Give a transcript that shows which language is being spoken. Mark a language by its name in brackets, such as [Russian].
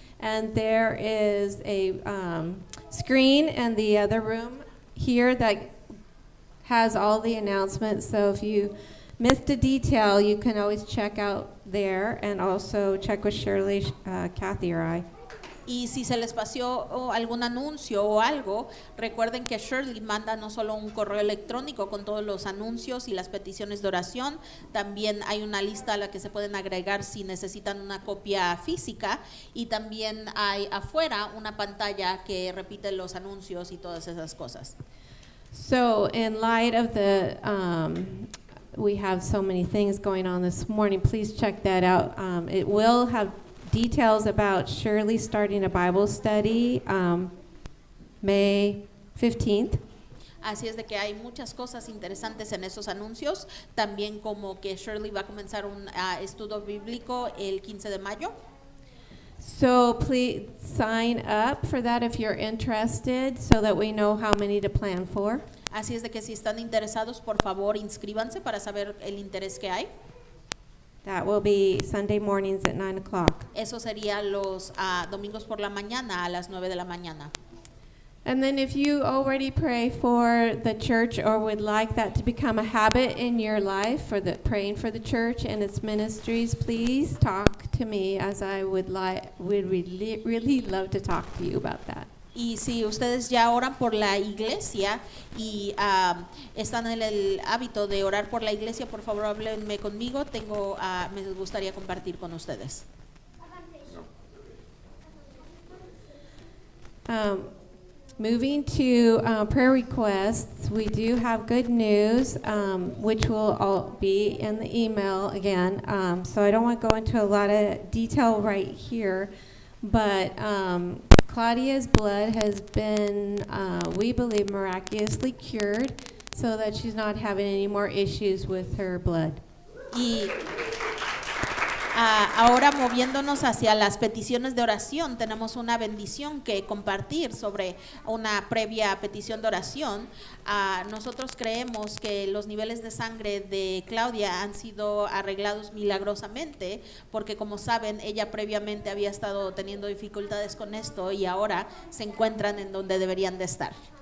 [English] And there is a screen in the other room here that has all the announcements. So if you missed a detail, you can always check out there and also check with Shirley, Kathy, or I. [Spanish] Y si se les pasó algún anuncio o algo, recuerden que Shirley manda no solo un correo electrónico con todos los anuncios y las peticiones de oración, también hay una lista a la que se pueden agregar si necesitan una copia física, y también hay afuera una pantalla que repite los anuncios y todas esas cosas. [English] So, in light of the, we have so many things going on this morning, please check that out. It will have details about Shirley starting a Bible study May 15th. [Spanish] Así es de que hay muchas cosas interesantes en esos anuncios, también como que Shirley va a comenzar un estudio bíblico el 15 de mayo. [English] So please sign up for that if you're interested so that we know how many to plan for. [Spanish] Así es de que si están interesados, por favor, inscríbanse para saber el interés que hay. [English] That will be Sunday mornings at 9 o'clock. [Spanish] Eso sería los domingos por la mañana a las 9 de la mañana. [English] And then if you already pray for the church or would like that to become a habit in your life for the praying for the church and its ministries, please talk to me as I would really love to talk to you about that. [Spanish] Y si ustedes ya oran por la iglesia y están en el hábito de orar por la iglesia, por favor háblenme conmigo. Tengo, me gustaría compartir con ustedes. [English] Moving to prayer requests, we do have good news, which will all be in the email again. So I don't want to go into a lot of detail right here, but Claudia's blood has been, we believe, miraculously cured so that she's not having any more issues with her blood. [Spanish] Y ahora moviéndonos hacia las peticiones de oración, tenemos una bendición que compartir sobre una previa petición de oración. Nosotros creemos que los niveles de sangre de Claudia han sido arreglados milagrosamente, porque como saben, ella previamente había estado teniendo dificultades con esto y ahora se encuentran en donde deberían de estar.